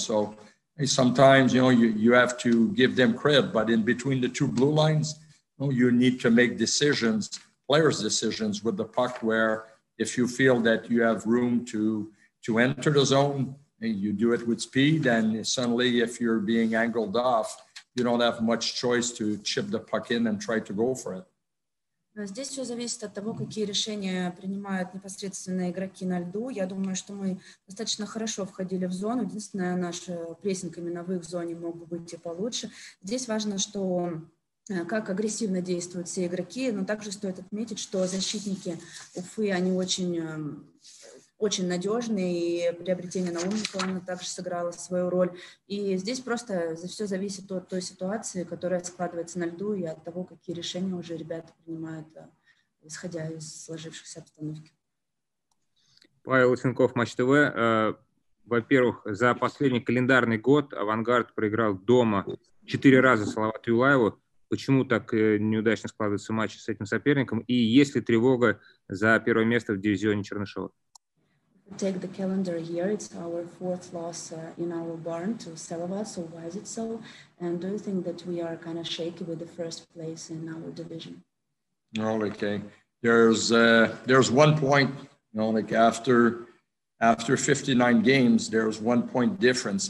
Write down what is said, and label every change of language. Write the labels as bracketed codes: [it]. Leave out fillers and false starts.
[en] So sometimes you have to give them credit, but in between the two blue lines, you need to make decisions, players' decisions with the puck, where if you feel that you have room to enter the zone, you do it with speed, and suddenly if you're being angled off, you don't have much choice to chip the puck in and try to go for it. [ru] Здесь все зависит от того, какие решения принимают непосредственно игроки на льду. Я думаю, что мы достаточно хорошо входили в зону. Единственное, наш прессинг именно в их зоне мог быть и получше. Здесь важно, что как агрессивно действуют все игроки, но также стоит отметить, что защитники Уфы, они очень надежные, и приобретение Наумникова, оно также сыграло свою роль. И здесь просто все зависит от той ситуации, которая складывается на льду, и от того, какие решения уже ребята принимают, исходя из сложившихся обстановки. Павел Усенков, Матч ТВ. Во-первых, за последний календарный год «Авангард» проиграл дома 4 раза Салавату Юлаеву. Почему так неудачно складываются матчи с этим соперником? И есть ли тревога за первое место в дивизионе Чернышева? [en] Take the calendar year. It's our 4th loss in our barn to Salavat. So why is it so? And do you think that we are kind of shaky with the first place in our division? Well, okay. There's 1 point. You know, like after 59 games, there's 1 point difference.